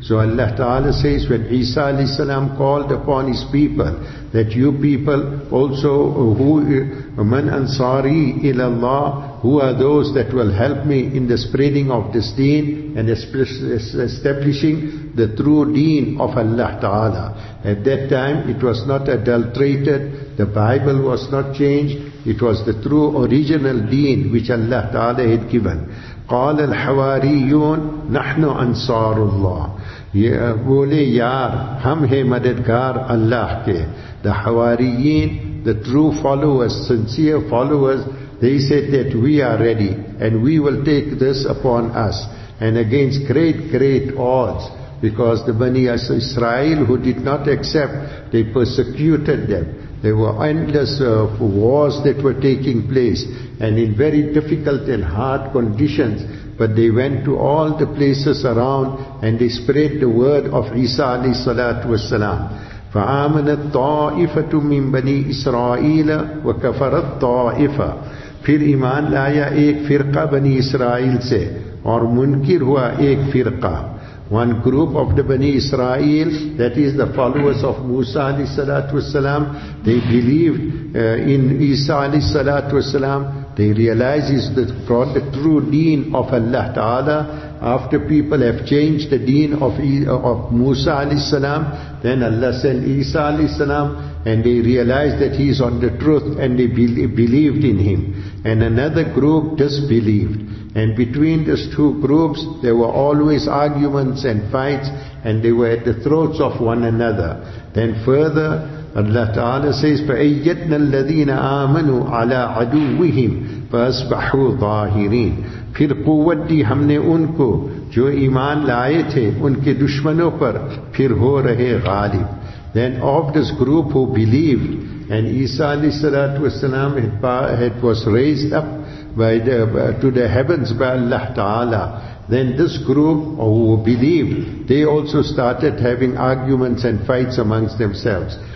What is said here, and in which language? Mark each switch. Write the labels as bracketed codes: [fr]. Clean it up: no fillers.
[en] So Allah Ta'ala says, when Isa alayhi salam called upon his people, that you people also, who [ar] man ansari ilallah, [en] who are those that will help me in the spreading of this deen and establishing the true deen of Allah Ta'ala. At that time it was not adulterated, the Bible was not changed, it was the true original deen which Allah Ta'ala had given. [ar] قال الحواريون نحن أنصار الله. [ur] بولے یار ہم ہے مددگار اللہ کے. [en] The حواريين, the true followers, sincere followers, they said that we are ready and we will take this upon us, and against great, great odds, because the Bani Israel who did not accept, they persecuted them. There were endless wars that were taking place, and in very difficult and hard conditions, but they went to all the places around and they spread the word of Isa alayhi salatu wasalam. [ar] فَآمَنَ الطَّائِفَةُ مِّن بَنِي إِسْرَائِيلَ وَكَفَرَ الطَّائِفَةُ. [ur] پھر ایمان لایا ایک فرقہ بنی اسرائیل سے اور منکر ہوا ایک فرقہ. [en] One group of the Bani Israel, that is the followers of Musa alayhi salatu wasalam, they believed in Isa alayhi salatu wasalam, they realized the true deen of Allah Ta'ala. After people have changed the deen of Musa alayhi salam, then Allah sent Isa alayhi salam, and they realized that he is on the truth, and they believed in him. And another group disbelieved. And between these two groups, there were always arguments and fights, and they were at the throats of one another. Then further, Allah Ta'ala says, [ar] فَأَيَّدْنَا الَّذِينَ آمَنُوا عَلَىٰ عَدُوِّهِمْ فَأَصْبَحُوا ظَاهِرِينَ. [ur] پھر قوت دی ہم نے ان کو جو ایمان لائے تھے ان کے دشمنوں پر, پھر ہو رہے غالب. [en] Then of this group who believed, and Isa alayhi salatu wasalam had was raised up by the, to the heavens by Allah Ta'ala, then this group who believed, they also started having arguments and fights amongst themselves.